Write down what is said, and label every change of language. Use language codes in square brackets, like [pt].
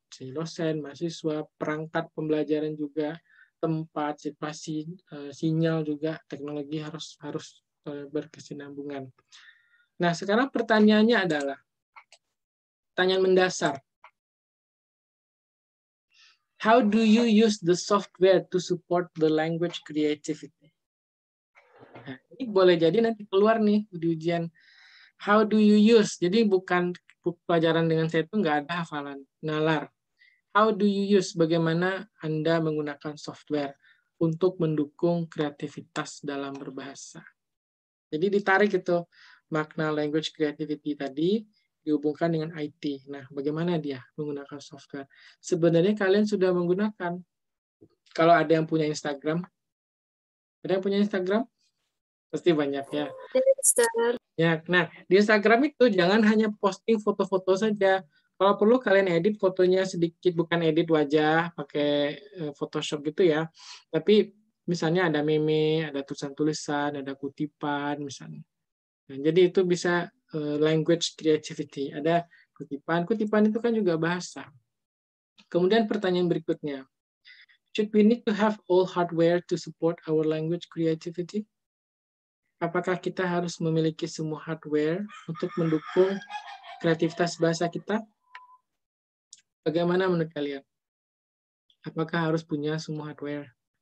[id] Si dosen, mahasiswa, perangkat pembelajaran juga, tempat, situasi, sinyal juga, teknologi harus berkesinambungan. Nah, sekarang pertanyaannya adalah, pertanyaan mendasar. [en] How do you use the software to support the language creativity? [id] Nah, ini boleh jadi nanti keluar nih di ujian. [en] How do you use? [id] Jadi bukan pelajaran dengan saya itu nggak ada hafalan nalar. [en] How do you use? [id] Bagaimana Anda menggunakan software untuk mendukung kreativitas dalam berbahasa? Jadi ditarik itu makna [en] language creativity [id] tadi, dihubungkan dengan IT. Nah, bagaimana dia menggunakan software? Sebenarnya kalian sudah menggunakan. Kalau ada yang punya Instagram, ada yang punya Instagram? Pasti banyak ya. Banyak. Nah, di Instagram itu jangan hanya posting foto-foto saja. Kalau perlu kalian edit fotonya sedikit, bukan edit wajah pakai Photoshop gitu ya. Tapi misalnya ada meme, ada tulisan-tulisan, ada kutipan misalnya. Nah, jadi itu bisa [en] language creativity. [id] Ada kutipan. Kutipan itu kan juga bahasa. Kemudian pertanyaan berikutnya. [en] Should we need to have all hardware to support our language creativity? [id] Apakah kita harus memiliki semua hardware untuk mendukung kreativitas bahasa kita? Bagaimana menurut kalian? Apakah harus punya semua hardware?